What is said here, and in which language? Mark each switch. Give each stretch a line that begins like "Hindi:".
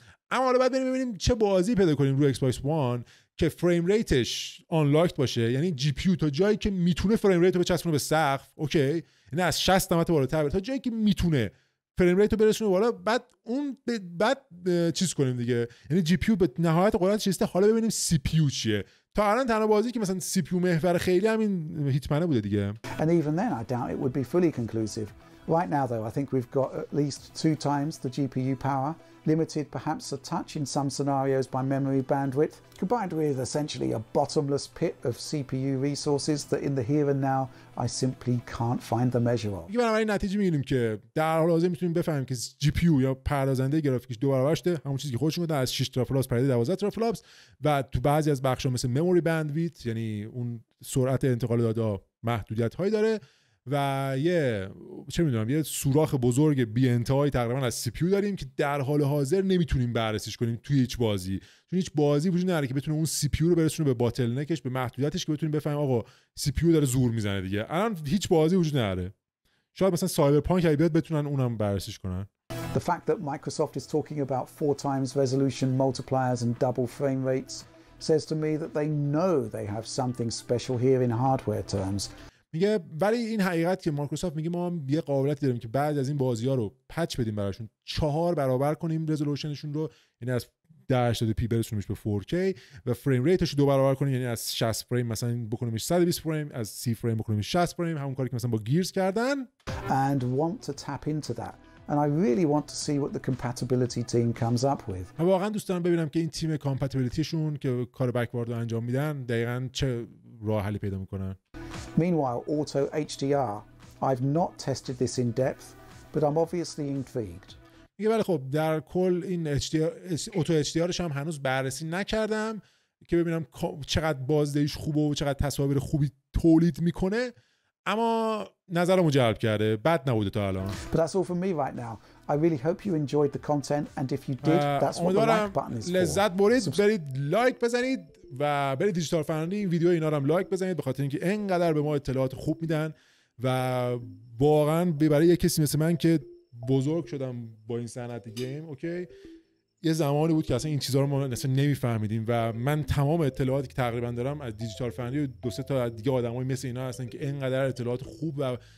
Persian: اما حالا بعد بریم ببینیم چه بازی پیدا کنیم روی Xbox One که فریم ریتش آنلاکت باشه، یعنی جی پی یو تا جایی که میتونه فریم ریت رو بچسبونه به سقف، اوکی، یعنی از 60 نمت بالاتر بره، تا جایی که میتونه فریم ریت رو برسونه بالا، بعد اون بعد چیز کنیم دیگه، یعنی جی پی یو به نهایت قدرتش رسیده، حالا ببینیم سی پی یو چیه. تا الان تنها بازی که مثلا سی پی یو محور خیلی همین هیتمنه بوده دیگه.
English: And even then I doubt it would be fully conclusive. Right now, though, I think we've got at least two times the GPU power, limited perhaps a touch in some scenarios by memory bandwidth, combined with essentially a bottomless pit of CPU resources that in the here and now I simply can't find the measure of.
Persian: بنابراین این نتیجه میگیریم که در حال حاضر میتونیم بفهمیم که GPU یا پردازنده گرافیکیش دو برابر شده، همون چیزی که خودشون گفتن از 6 ترافلوپس پرده 12 ترافلوپس، و تو بعضی از بخش‌ها مثل مموری بندویت یعنی اون سرعت انتقال داده محدودیت‌هایی داره و یه چه میدونم یه سوراخ بزرگ بی انتهایی تقریبا از سی پی یو داریم که در حال حاضر نمیتونیم بررسیش کنیم توی هیچ بازی، چون هیچ بازی وجود نداره که بتونه اون سی پی یو رو برسونه به باتل نکش، به محدودیتش، که بتونیم بفهمیم آقا سی پی یو داره زور میزنه دیگه. الان هیچ بازی وجود نداره. شاید مثلا سایبرپانک اگه بیاد بتونن اونم بررسیش کنن.
English: The fact that Microsoft is talking about 4 times resolution multipliers and double frame rates says to me that they know they have something special here in hardware terms.
Persian: میگه ولی این حقیقت که مایکروسافت میگه ما هم یه قابلیت داریم که بعضی از این بازی‌ها رو پچ بدیم براشون 4 برابر کنیم رزولوشنشون رو، یعنی از 1080p برسونیمش به 4K و فریم ریتش رو 2 برابر کنیم، یعنی از 60 فریم مثلا بکنیمش 120 فریم، از 30 فریم بکنیمش 60 فریم، همون کاری که مثلا با گیرز کردن.
English: And want to tap into that. And I really want to see what the compatibility team comes up with.
Persian: من واقعا دوست دارم ببینم که این تیم کامپتیبیلیتیشون که کار بکوارد رو انجام میدن دقیقاً چه راه حلی پیدا میکنن.
English: Meanwhile, auto HDR. I've not tested this in depth, but I'm obviously intrigued.
Persian: میگه ولی خب در کل این HDR اوتو HDRش هم هنوز بررسی نکردم که ببینم چقدر بازدهیش خوبه و چقدر تصاویر خوبی تولید میکنه، اما نظرمو جلب کرده، بد نبوده تا الان.
English: But that's all for me right now. I really hope you enjoyed the content and if you did, that's what the like button is for.
Persian: لذت برید، برید لایک بزنید و برید دیجیتال فرهنگی این ویدیو اینا رو هم لایک بزنید، به خاطر اینکه انقدر به ما اطلاعات خوب میدن و واقعا برای یک کسی مثل من که بزرگ شدم با این صنعت گیم، اوکی، یه زمانی بود که اصلا این چیزها رو ما اصلا نمیفهمیدیم و من تمام اطلاعاتی که تقریبا دارم از دیجیتال فرهنگی و دو سه تا دیگه آدمای مثل اینا هستن که انقدر اطلاعات خوب و